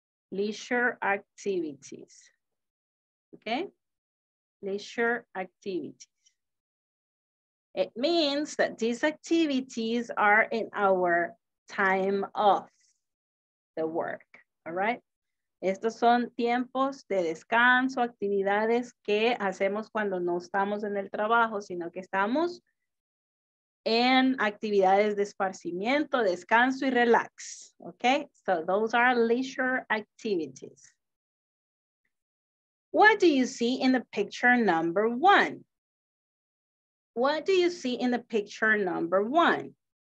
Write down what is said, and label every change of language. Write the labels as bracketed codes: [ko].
[en] Leisure activities. Okay? Leisure activities. It means that these activities are in our time off the work. All right? [es] Estos son tiempos de descanso, actividades que hacemos cuando no estamos en el trabajo, sino que estamos en actividades de esparcimiento, descanso y relax. [en] Okay, so those are leisure activities. What do you see in the picture number one? What do you see in the picture number one?